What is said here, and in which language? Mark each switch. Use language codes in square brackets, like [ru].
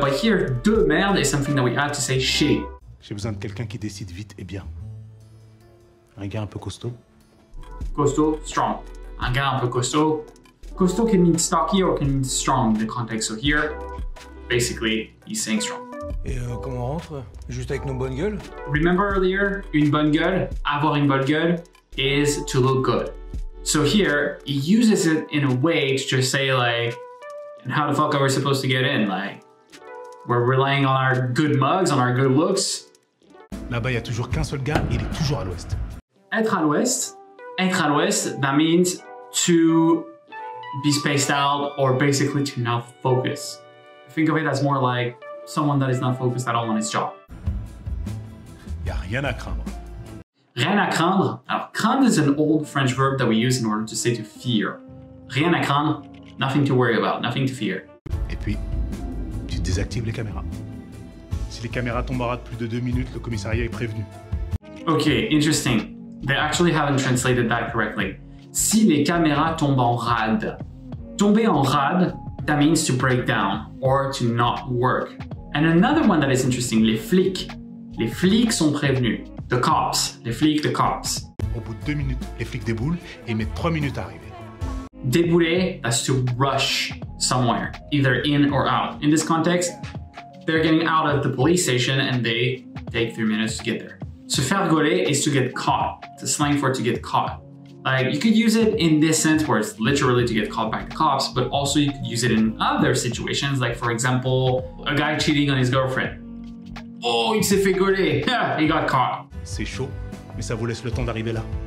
[en] But here, [fr] de merde [en] is something that we have to say shitty. [fr] J'ai besoin de quelqu'un qui décide vite et bien. Un gars un peu costaud. Costaud, [en] strong. [fr] Un gars un peu costaud. [en] Costaud can mean stocky or can mean strong in the context. So here, basically, he's saying strong. [fr] Et comment on rentre? Juste avec nos bonnes gueules? [en] Remember earlier, [fr] une bonne gueule, avoir une bonne gueule, [en] is to look good. So here, he uses it in a way to just say like, and how the fuck are we supposed to get in? Like, we're relying on our good mugs, on our good looks. [fr] Là-bas, il y a toujours qu'un seul gars, il est toujours à l'ouest. Être à l'ouest, [en] that means to be spaced out or basically to not focus. Think of it as more like someone that is not focused at all on his job. [fr] Y a rien à craindre. Rien à craindre. Alors, craindre [en] is an old French verb that we use in order to say to fear. [fr] Rien à craindre, [en] nothing to worry about, nothing to fear. [fr] Et puis, tu désactives les caméras. Si les caméras tombent en rate plus de 2 minutes, le commissariat est prévenu. [en] Okay, interesting. They actually haven't translated that correctly. [fr] Si les caméras tombent en rade. Tomber en rade, [en] that means to break down or to not work. And another one that is interesting, [fr] les flics. Les flics sont prévenus. [en] The cops. [fr] Les flics, [en] the cops. [fr] Au bout de 2 minutes, les flics déboulent et mettent 3 minutes à arriver. [en] Débouler, that's to rush somewhere, either in or out. In this context, they're getting out of the police station and they take 3 minutes to get there. [fr] Se faire gauler [en] is to get caught. It's a slang for to get caught. Like, you could use it in this sense where it's literally to get caught by the cops, but also you could use it in other situations, like for example, a guy cheating on his girlfriend. [fr] Oh, il s'est fait gauler. [en] Yeah, he got caught. [fr] C'est chaud, mais ça vous laisse le temps d'arriver là.